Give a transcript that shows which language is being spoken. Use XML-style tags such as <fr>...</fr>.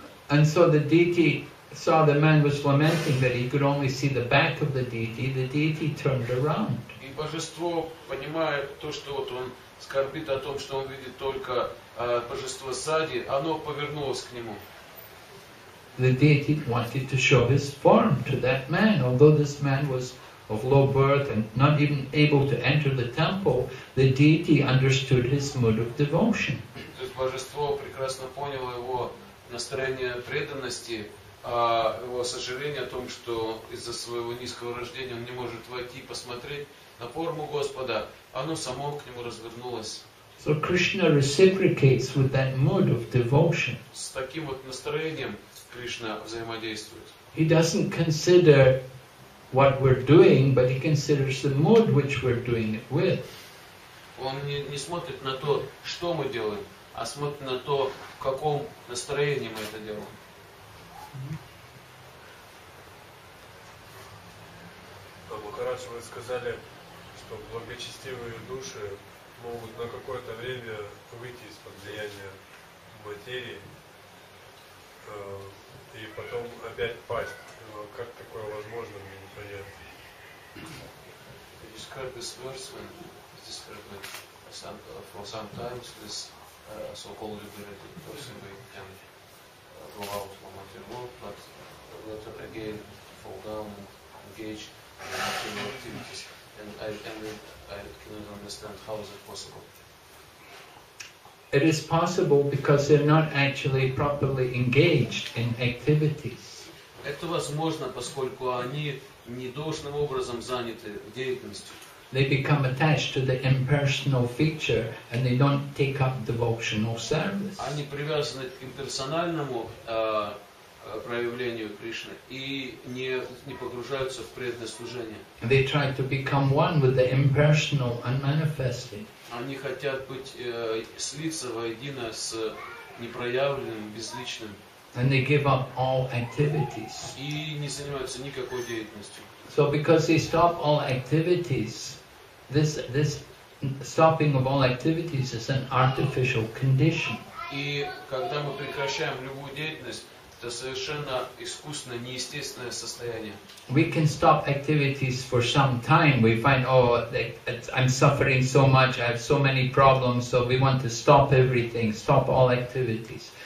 <en>And so the deity saw the man was lamenting that he could only see the back of the deity. The deity turned around.</en> <ru>И божество, понимая то, что вот он скорбит о том, что он видит только божество сзади, оно повернулось к нему.</ru> <en>The deity wanted to show his form to that man. Although this man was of low birth and not even able to enter the temple, the deity understood his mood of devotion.</en> <ru>То есть божество прекрасно поняло его настроение преданности, его сожаление о том, что из-за своего низкого рождения он не может войти и посмотреть на форму Господа, оно само к нему развернулось.</ru> <en>So Krishna reciprocates with that mood of devotion.</en> <ru>С таким вот настроением Кришна взаимодействует.</ru> <en>He doesn't consider what we're doing, but he considers the mood which we're doing it with.</en> <ru>Он не смотрит на то, что мы делаем, а смотрит на то, в каком настроении мы это делаем. Бхагавад, вы сказали, что благочестивые души могут на какое-то время выйти из-под влияния материи и потом опять пасть. Но как такое возможно, мне непонятно.</ru> <en>You describe this verse when it's described for some time, this so-called liberated person, we can go out from material world, but later again fall down, engage in material activities. And I cannot understand how is it possible. It is possible because they're not actually properly engaged in activities.</en> <ru>Это возможно, поскольку они не должным образом заняты деятельностью.</ru> <en>They become attached to the impersonal feature and they don't take up devotional service.</en> <ru>Они привязаны к имперсональному проявлению Кришны и не погружаются в преданное служение.</ru> <en>They try to become one with the impersonal and manifested.</en> <ru>Они хотят быть слиться воедино с непроявленным, безличным.</ru> <en>And they give up all activities.</en> <ru>И не занимаются никакой деятельностью.</ru> <en>So because they stop all activities, this stopping of all activities is an artificial condition.</en> <ru>И когда мы прекращаем любую деятельность, это совершенно искусственное, неестественное состояние.</ru> <en>We can stop activities for some time. We find, oh, I'm suffering so much, I have so many problems, so we want to stop everything, stop all activities.</en>